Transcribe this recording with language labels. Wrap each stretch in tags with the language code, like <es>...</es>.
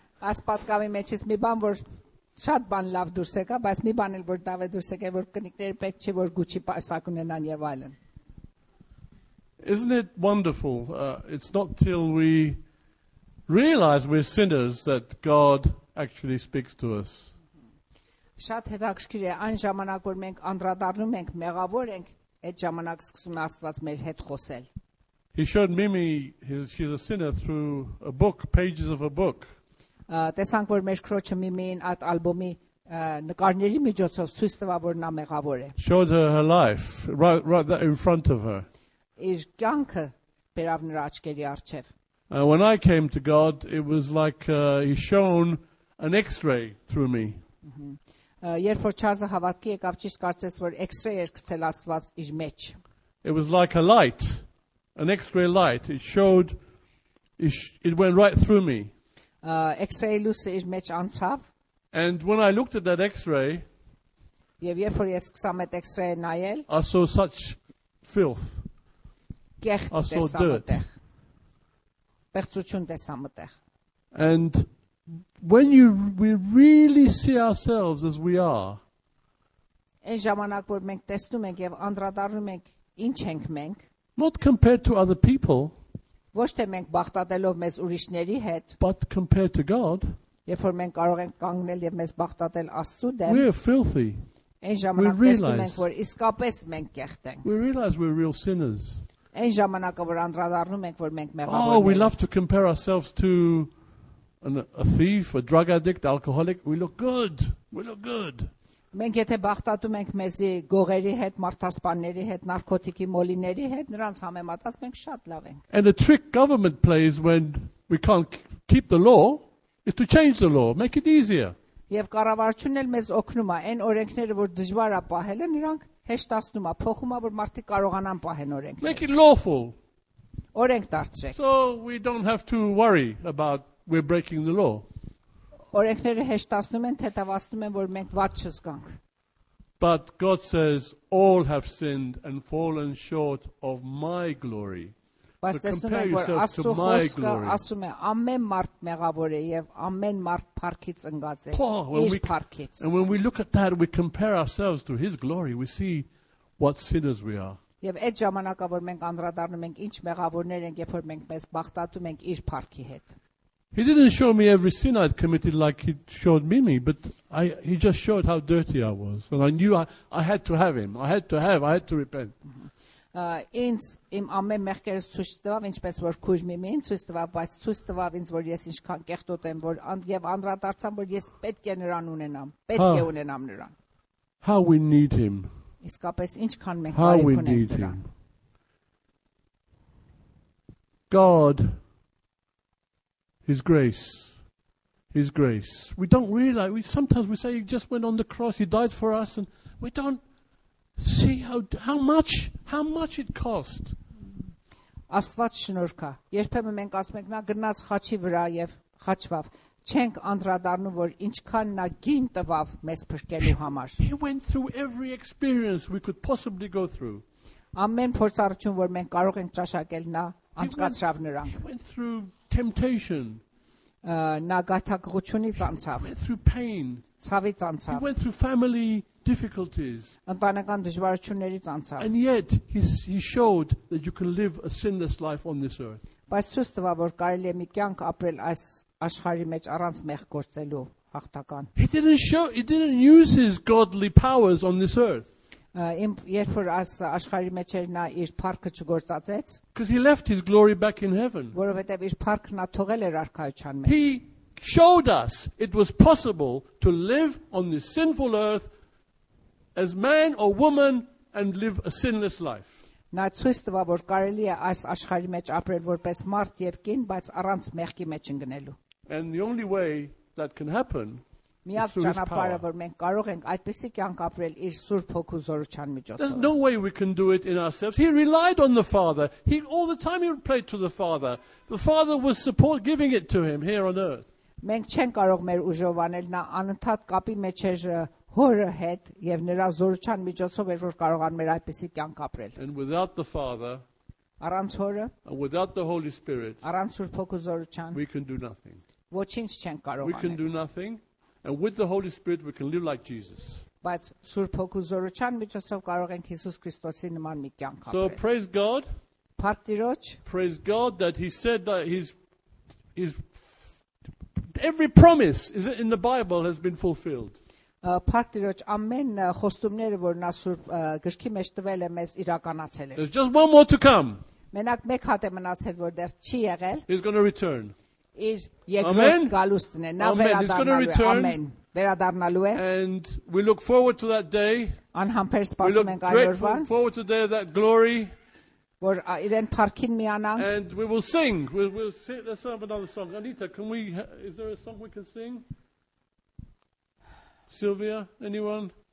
<hy>Աս պատկամի մեջ ես մի բան որ շատ բան լավ դուրս եկա, բայց մի բան էլ որ դավ է դուրս եկա, որ քնիկները պետք չէ որ Gucci պայուսակ ունենան եւ այլն.</hy> <en>Isn't it wonderful? It's not till we realize we're sinners that God actually speaks to us.</en> <hy>Շատ հետաքրքիր է, այն ժամանակ որ մենք անդրադառնում ենք, մեղավոր ենք, այդ ժամանակ սկսում է Աստված մեր հետ խոսել.</hy> <en>He showed Mimi she's a sinner through a book, pages of a book.</en> <hy>Տեսանք որ մեր քրոջը Միմին այդ ալբոմի նկարների միջոցով ցույց տվա որ նա մեղավոր է.</hy> <en>Showed her life right there in front of her.</en> <hy>Իր կյանքը բերավ նրա աչքերի առջև.</hy> <en>When I came to God it was like he shone an x-ray through me.</en> <hy>Երբ որ Չարզը հավատքի եկավ ճիշտ կարծես որ x-ray էր գցել Աստված իր մեջ.</hy> <en>It was like a light, an x-ray light. It showed it went right through me.</en> <hy>X-ray լույսը իր մեջ անցավ.</hy> <en>And when I looked at that x-ray,</en> <hy>Եվ երբ որ ես սկսամ այդ x-ray-ը նայել,</hy> <en>I saw such filth.</en> <hy>Գեղ տեսա մտեղ. Պերծություն տեսա մտեղ.</hy> <en>And when we really see ourselves as we are,</en> <hy>այն ժամանակ որ մենք տեսնում ենք եւ անդրադառնում ենք ինչ ենք մենք,</hy> <en>not compared to other people,</en> <hy>ոչ թե մենք բախտատելով մեզ ուրիշների հետ,</hy> <en>but compared to God,</en> <hy>երբ որ մենք կարող ենք կանգնել եւ մեզ բախտատել Աստծո դեմ,</hy> <en>we are filthy.</en> <hy>Այն ժամանակ տեսնում ենք, որ իսկապես մենք կեղտ ենք.</hy> <en>We realize we're real sinners.</en> <hy>Այն ժամանակ որ անդրադառնում ենք, որ մենք մեղավոր ենք.</hy> <en>Oh, we love to compare ourselves to a thief, a drug addict, alcoholic. We look good. We look good.</en> <hy>Մենք եթե բախտատում ենք մեզի գողերի հետ, մարդասպանների հետ, նարկոտիկի մոլիների հետ, նրանց համեմատած մենք շատ լավ ենք։</hy> <en>And the trick government plays when we can't keep the law is to change the law, make it easier.</en> <hy>Եվ կառավարությունն էլ մեզ օգնում է այն օրենքները, որ դժվար է պահել, նրանք հեշտացնում է, փոխում է, որ մարդիկ կարողանան պահեն օրենքը։</hy> <en>Make it lawful.</en> <hy>Օրենք դարձրեք։</hy> <en>So we don't have to worry about we're breaking the law.</en> <hy>Օրենքները հեշտացնում են, թեթևացնում են, որ մենք վատ չզգանք։</hy> <en>But God says all have sinned and fallen short of my glory.</en> <hy>Բայց տեսնում ենք, որ Աստծո խոսքը ասում է, ամեն մարդ մեղավոր է եւ ամեն մարդ փառքից ընկած է։ Իր փառքից։</hy> <en>And when we look at that we compare ourselves to his glory, we see what sinners we are.</en> <hy>Եվ այդ ժամանակա որ մենք անդրադառնում ենք, ինչ մեղավորներ ենք, երբ որ մենք մեզ բախտատում ենք իր փառքի հետ։</hy> <en>He didn't show me every sin I'd committed like he showed Mimi, but he just showed how dirty I was. And I knew I had to have him. I had to repent. How we need him.</en> <hy>իսկապես ինչքան մենք կարող ենք նրան։</hy> <en>God, His grace. We don't realize. Sometimes we say, He just went on the cross. He died for us, and we don't see how much it cost.</en> <hy>Աստված շնորհքա։ Երբեմն մենք ասում ենք, նա գնաց խաչի վրա եւ խաչվավ։ Չենք անդրադառնում, որ ինչքան նա գին տվավ մեզ փրկելու համար։</hy> <en>He went through every experience we could possibly go through.</en> <hy>Ամեն փորձառություն, որ մենք կարող ենք ճաշակել, նա անցկացավ նրանք։</hy> <en>He went through temptation.</en> <hy>Նա գաթակղությունից անցավ։</hy> <en>He went through pain.</en> <hy>Ցավից անցավ։</hy> <en>He went through family difficulties.</en> <hy>Ընտանեկան դժվարություններից անցավ։</hy> <en>And yet he showed that you can live a sinless life on this earth.</en> <hy>Բայց ցույց տվավ, որ կարելի է մի կյանք ապրել այս աշխարհի մեջ առանց մեղ գործելու հաղթական։</hy> <en>He didn't use his godly powers on this earth.</en> <hy>Երբ որ աս աշխարհի մեջ էր, նա իր փառքը չգործացեց։</hy> <en>Because he left his glory back in heaven.</en> <hy>Որովհետև իր փառքն ա թողել էր արքայության մեջ։</hy> <en>He showed us it was possible to live on this sinful earth as man or woman and live a sinless life.</en> <hy>Նա ցույց տվավ, որ կարելի է այս աշխարհի մեջ ապրել որպես մարդ եւ կին, բայց առանց մեղքի մեջ ընկնելու։</hy> <en>And the only way that can happen</en> <hy>միակ ճանապարհը, որ մենք կարող ենք այդպիսի կյանք ապրել իր Սուրբ Հոգու զորության միջոցով։</hy> <en>There's no way we can do it in ourselves. He relied on the Father. He all the time he would pray to the Father. The Father was support giving it to him here on earth.</en> <hy>Մենք չենք կարող մեր ուժով անել, նա անընդհատ կապի մեջ էր Հորը հետ եւ նրա զորության միջոցով էր որ կարողան մեր այդպիսի կյանք ապրել։</hy> <en>And without the Father,</en> <hy>առանց Հորը,</hy> <en>and without the Holy Spirit,</en> <hy>առանց Սուրբ Հոգու զորության,</hy> <en>we can do nothing.</en> <hy>Ոչինչ չենք կարող անել։</hy> <en>We can do nothing. And with the Holy Spirit we can live like Jesus.</en> <hy>Բայց Սուրբ Հոգու զորության միջոցով կարող ենք Հիսուս Քրիստոսի նման մի կյանք ապրել։</hy> <en>So praise God.</en> <hy>Փառտիրոջ։</hy> <en>Praise God that he said that his every promise is in the Bible has been fulfilled.</en> <hy>Փառտիրոջ, ամեն խոստումները, որ նա Սուրբ գրքի մեջ տվել է, մեզ իրականացել է։</hy> <en>There's just one more to come.</en> <hy>Մենակ մեկ հատ է մնացել, որ դեռ չի եղել։</hy> <en>He's going to return.</en> <hy>Is երկրորդ գալուստն է, նա վերադառնալու է, ամեն, վերադառնալու է։</hy> <en>And we look forward to that day.</en> <hy>Անհամբեր սպասում ենք այն օրվան։</hy> <en>We look forward to the day of that glory.</en> <hy>Որ իրեն փառքին միանանք։</hy> <en>And we will sing. We'll sing. Let's have another song. Anita, is there a song we can sing? Sylvia, anyone?</en>